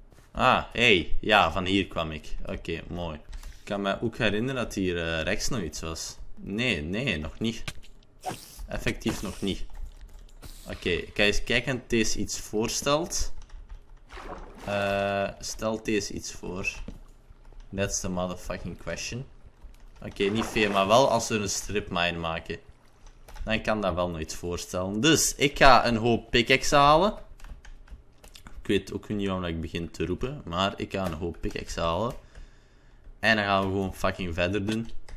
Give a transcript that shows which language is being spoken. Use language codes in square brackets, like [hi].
[nl] Ah, hey. Ja, van hier kwam ik. Oké, mooi. Ik kan me ook herinneren dat hier rechts nog iets was. Nee, nog niet. Effectief nog niet. Oké, kijk eens, kijkend deze iets voorstelt. Stelt deze iets voor? [en] That's the motherfucking question. [nl] Oké, niet veel, maar wel als we een stripmine maken. Dan kan dat wel nog iets voorstellen. Dus, ik ga een hoop pickaxe halen. Ik weet ook niet waarom ik begin te roepen, maar ik ga een hoop pickaxe halen. En dan gaan we gewoon fucking verder doen.